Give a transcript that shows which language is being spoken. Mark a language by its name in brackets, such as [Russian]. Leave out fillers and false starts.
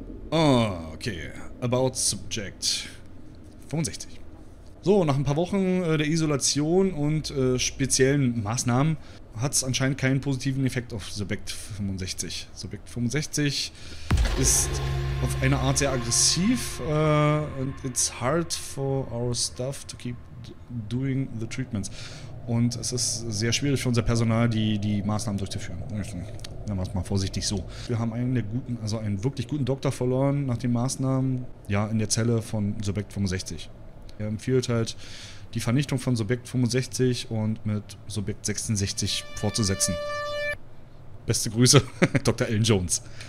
[English] Oh, okay. About Subject 65. [German] So, nach ein paar Wochen der Isolation und speziellen Maßnahmen hat es anscheinend keinen positiven Effekt auf Subject 65. Subject 65 ist auf eine Art sehr aggressiv. [English] And it's hard for our staff to keep doing the treatments. [German] Und es ist sehr schwierig für unser Personal, die Maßnahmen durchzuführen. Nehmen wir es mal vorsichtig so. Wir haben einen der guten, also einen wirklich guten Doktor verloren nach den Maßnahmen. Ja, in der Zelle von Subject 65. Er empfiehlt halt, die Vernichtung von Subject 65 und mit Subject 66 fortzusetzen. Beste Grüße, Dr. Alan Jones.